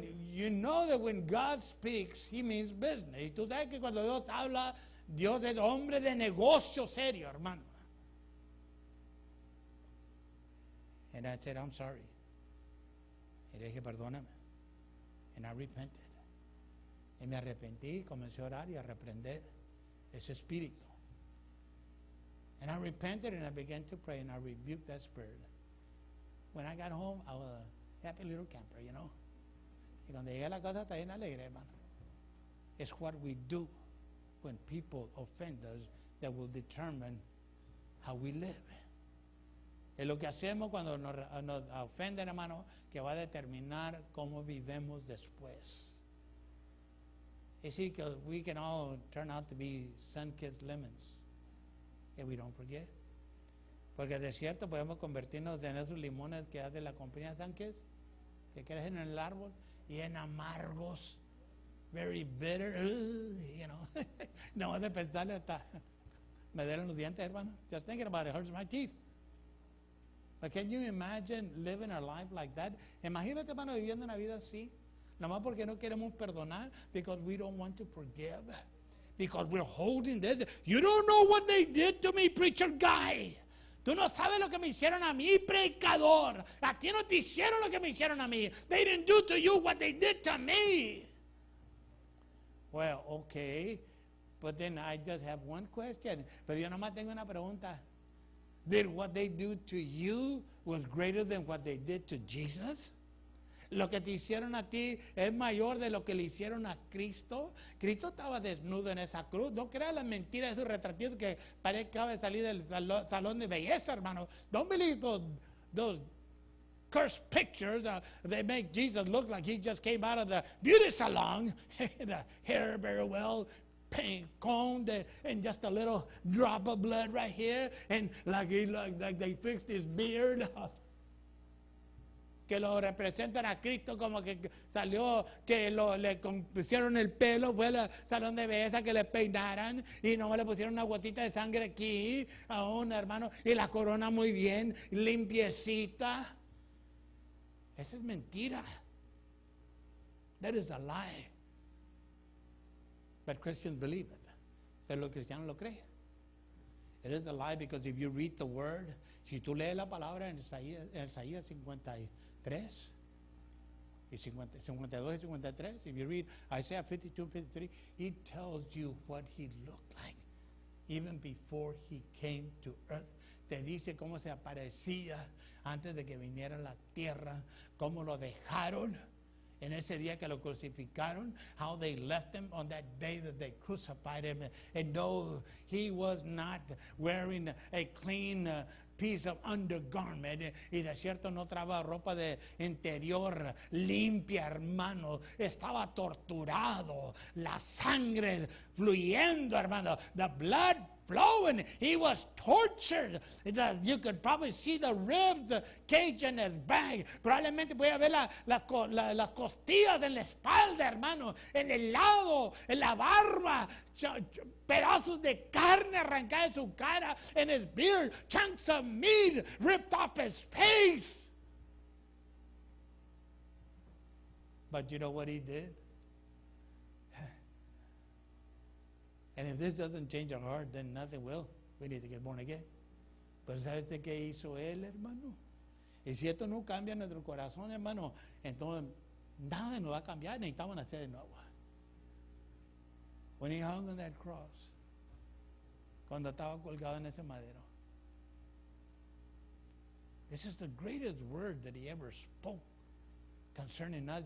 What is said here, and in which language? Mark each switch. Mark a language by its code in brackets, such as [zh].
[en] You know that when God speaks, he means business. [es] Y tú sabes que cuando Dios habla, Dios es hombre de negocio serio, hermano. [en] And I said, I'm sorry. [es] Y le dije, perdóname. [en] And I repented. [es] Y me arrepentí, comencé a orar y a reprender ese espíritu. [en] And I repented and I began to pray and I rebuked that spirit. When I got home, I was a happy little camper, you know. [es] Y cuando llegué a la casa, estaba bien alegre, hermano. [en] It's what we do when people offend us that will determine how we live. [es] Es lo que hacemos cuando nos ofenden, hermano, que va a determinar cómo vivemos después. [en] You see, because we can all turn out to be sun-kissed lemons if we don't forget. [es] Porque de cierto podemos convertirnos en esos limones que hace la compañía sun-kissed, que crecen en el árbol, y en amargos, [en] very bitter, you know. [es] No, de pensarle hasta me duelen los dientes, hermano. [en] Just thinking about it hurts my teeth. But can you imagine living a life like that? [es] Imagínate, hermano, viviendo una vida así. Nomás porque no queremos perdonar. [en] Because we don't want to forgive. Because we're holding this. You don't know what they did to me, preacher guy. [es] Tú no sabes lo que me hicieron a mí, predicador. A ti no te hicieron lo que me hicieron a mí. [en] They didn't do to you what they did to me. Well, okay. But then I just have one question. [es] Pero yo nomás tengo una pregunta. [en] Did what they do to you was greater than what they did to Jesus? [es] Lo que te hicieron a ti es mayor de lo que le hicieron a Cristo. Cristo estaba desnudo en esa cruz. No creas la mentira de su retratito que parezca haber salido del salón de belleza, hermano. [en] Don't believe those cursed pictures that make Jesus look like he just came out of the beauty salon. The hair very well paint combed and just a little drop of blood right here, and like he looked like they fixed his beard. [es] Que lo representan a Cristo como que salió, que lo le pusieron el pelo, fue al salón de belleza que le peinaran y no le pusieron una gotita de sangre aquí a un hermano y la corona muy bien limpiecita. Esa es mentira. [en] That is a lie. But Christians believe it. [es] Pero los cristianos lo creen. [en] It is a lie because if you read the word, [es] si tú lees la palabra en Isaías 53 y 52 y 53, [en] if you read Isaiah 52 and 53, he tells you what he looked like even before he came to earth. [es] Te dice cómo se aparecía antes de que viniera a la tierra, cómo lo dejaron. En ese día que lo crucificaron, [en] how they left him on that day that they crucified him. And no, he was not wearing a clean piece of undergarment. [es] Y de cierto no traba ropa de interior limpia, hermano. Estaba torturado. La sangre fluyendo, hermano. [en] The blood flowing. He was tortured. You could probably see the ribs caged in his back. Probablemente voy a ver las costillas en la espalda, hermano. En el lado, en la barba. Pedazos de carne arrancada de su cara. In his beard, chunks of meat ripped off his face. But you know what he did? And if this doesn't change our heart, then nothing will. We need to get born again. [es] Pero ¿sabe usted qué hizo él, hermano? Y si esto no cambia nuestro corazón, hermano, entonces nada nos va a cambiar. Necesitamos nacer de nuevo. [en] When he hung on that cross, [es] cuando estaba colgado en ese madero, [en] this is the greatest word that he ever spoke concerning us.